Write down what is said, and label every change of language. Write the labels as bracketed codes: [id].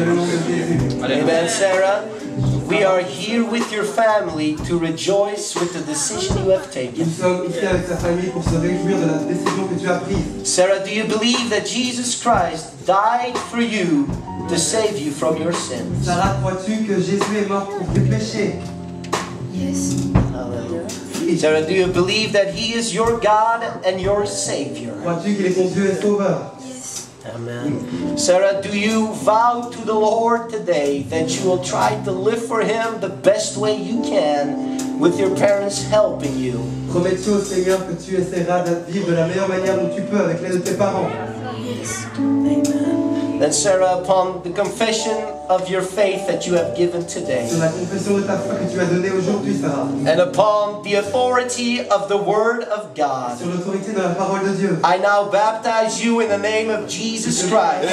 [en] Amen, Sarah. We are here with your family to rejoice with the decision you have taken. Sarah, do you believe that Jesus Christ died for you to save you from your sins? [fr] Sarah, crois-tu que Jésus est mort pour tes péchés? [en] Yes. Hallelujah. Sarah, do you believe that He is your God and your Savior? [fr] Crois-tu qu'il est ton Dieu et Sauveur? [en] Amen. Sarah, do you vow to the Lord today that you will try to live for Him the best way you can with your parents helping you? [fr] Promets-tu au Seigneur que tu essaieras de vivre de la meilleure manière dont tu peux avec l'aide de tes parents? [en] Yes. Amen. Then Sarah, upon the confession of your faith that you have given today, [fr] sur la confession de ta foi que tu as donnée aujourd'hui, Sarah, [en] and upon the authority of the Word of God, [fr] sur l'autorité de la parole de Dieu, [en] I now baptize you in the name of Jesus Christ.